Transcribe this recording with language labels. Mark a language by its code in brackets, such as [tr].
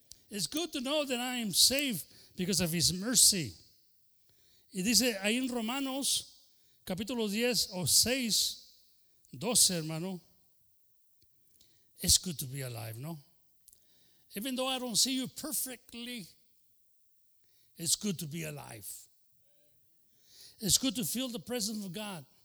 [en] It's good to know that I am saved because of His mercy. [es] Y dice ahí en Romanos, capítulo 10 o 6, 12, hermano. [en] It's good to be alive, no? Even though I don't see you perfectly, it's good to be alive. It's good to feel the presence of God.